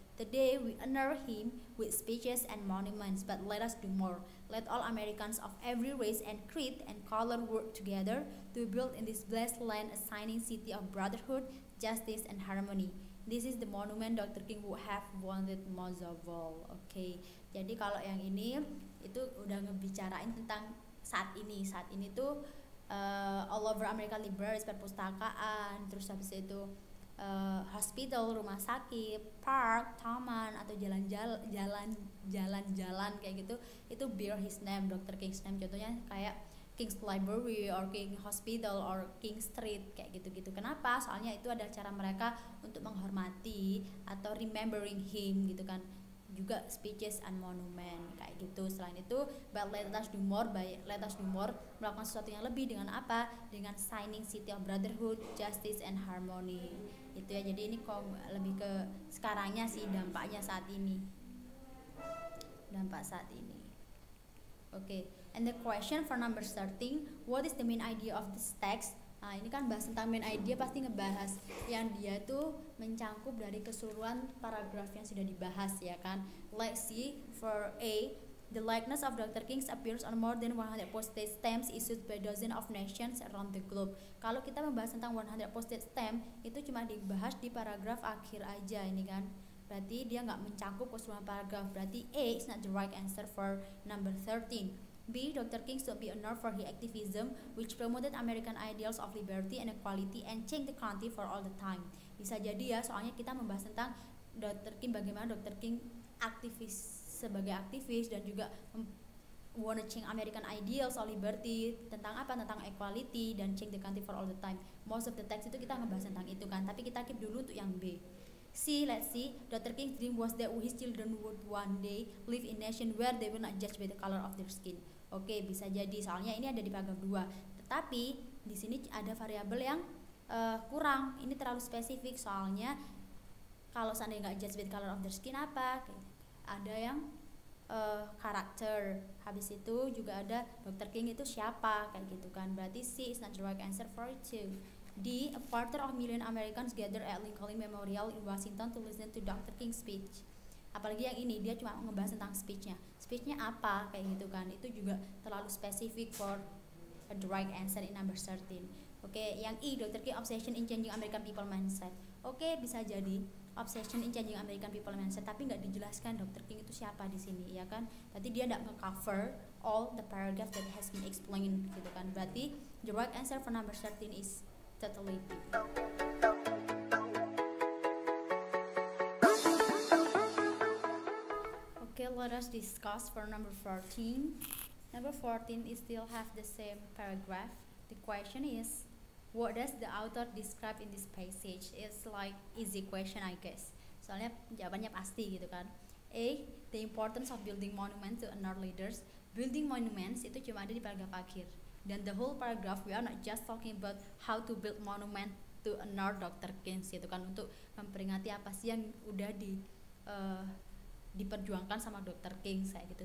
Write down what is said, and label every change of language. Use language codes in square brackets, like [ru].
[en] Today, we honor him with speeches and monuments, but let us do more. Let all Americans of every race and creed and color work together to build in this blessed land a shining city of brotherhood, justice, and harmony. This is the monument Dr. King would have wanted most of all. Okay. [id] Jadi kalau yang ini itu udah ngebicarain tentang saat ini. Saat ini tuh [en] all over America libraries, [id] perpustakaan, terus habis itu hospital, rumah sakit, park, taman atau jalan-jalan kayak gitu, itu [en] bear his name, Dr. King's name. [id] Contohnya kayak King's Library or King Hospital or King Street kayak gitu-gitu. Kenapa? Soalnya itu adalah cara mereka untuk menghormati atau [en] remembering him [id] gitu kan. Juga [en] speeches and monument [id] kayak gitu. Selain itu, [en] let us do more, [id] melakukan sesuatu yang lebih dengan apa? Dengan [en] signing City of Brotherhood, Justice and Harmony. [id] Itu ya. Jadi ini kok lebih ke sekarangnya sih dampaknya saat ini. Dampak saat ini. Oke. Okay. [en] And the question for number 13, what is the main idea of this text? [id] Nah, ini kan bahas tentang main idea, pasti ngebahas yang dia tuh mencangkup dari keseluruhan paragraf yang sudah dibahas ya kan. [en] Let's see, for A, the likeness of Dr. King appears on more than 100 postage stamps issued by dozens of nations around the globe. [id] Kalau kita membahas tentang 100 postage stamp, itu cuma dibahas di paragraf akhir aja ini kan. Berarti dia gak mencangkup keseluruhan paragraf, berarti [en] A is not the right answer for number 13. B, Dr. King should be honored for his activism, which promoted American ideals of liberty and equality and changed the country for all the time. [id] Bisa jadi ya, soalnya kita membahas tentang Dr. King, bagaimana Dr. King aktivis sebagai aktivis dan juga [en] wanna change American ideals of liberty, [id] tentang apa? Tentang equality dan [en] change the country for all the time. [id] Most of the text itu kita ngebahas tentang itu kan, tapi kita keep dulu untuk yang B. [en] See, let's see, Dr. King's dream was that his children would one day live in a nation where they will not judge by the color of their skin. [id] Oke, bisa jadi, soalnya ini ada di paragraf 2. Tetapi, di sini ada variabel yang kurang. Ini terlalu spesifik, soalnya kalau seandainya nggak [en] judge by the color of their skin, [id] apa? Ada yang karakter, habis itu juga ada Dr. King itu siapa, kayak gitu kan. Berarti [en] C is not the right answer for you. D, a quarter of million Americans gathered at Lincoln Memorial in Washington to listen to Dr. King's speech. [id] Apalagi yang ini, dia cuma ngebahas tentang speech-nya. Speech-nya apa, kayak gitu kan. Itu juga terlalu spesifik [en] for the right answer in number 13. [id] Oke, yang [en] E, Dr. King obsession in changing American people mindset. [id] Oke, bisa jadi [en] obsession in changing American people mindset, [id] tapi nggak dijelaskan [en] Dr. [id] King itu siapa di sini, ya kan? Berarti dia nggak nge-cover [en] all the paragraph that has been explained, [id] gitu kan? Berarti [en] the right answer for number 13 is totally. Okay, let us discuss for number 14. Number 14 is still have the same paragraph. The question is, what does the author describe in this passage? It's like easy question, I guess. [id] Soalnya jawabannya pasti gitu kan. [en] A, the importance of building monuments to honor leaders. Building monuments [id] itu cuma ada di paragraf akhir. [en] Then the whole paragraph, we are not just talking about how to build monument to honor Dr. [id] King, gitu kan, untuk memperingati apa sih yang udah diperjuangkan sama Dr. King, kayak gitu.